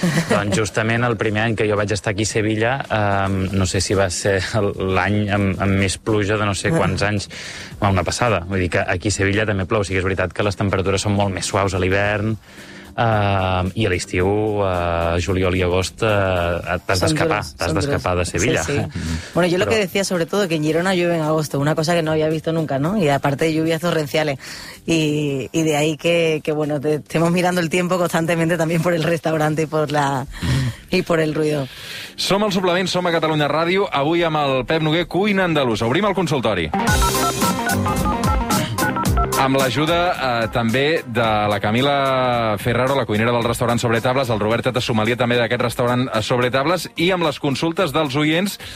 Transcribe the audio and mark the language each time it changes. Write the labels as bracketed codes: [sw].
[es] Doncs justament el primer any que jo vaig estar aquí a Sevilla, no sé si va ser l'any amb més pluja de no sé quants anys, una passada. Vull dir que aquí a Sevilla també plou. O sigui, és veritat que les temperatures són molt més suaus a l'hivern. I a l'estiu, juliol i agost, t'has d'escapar de Sevilla. [ca] Sí, sí. Mm-hmm. [es] Bueno, yo lo que decía sobre todo que en Girona llueve en agosto, una cosa que no había visto nunca, ¿no? Y aparte lluvias torrenciales. Y de ahí que bueno, estemos mirando el tiempo constantemente también por el restaurante y por la... Mm-hmm. Y por el ruido. [ca] Som al Suplement, som a Catalunya Ràdio, avui amb el Pep Noguer, cuina andalusa. Obrim el consultori. Amb l'ajuda també de la Camila Ferraro, la cuinera del restaurant Sobre Tables, el Robert Tata Somalia també d'aquest restaurant Sobre Tables, i amb les consultes dels oients.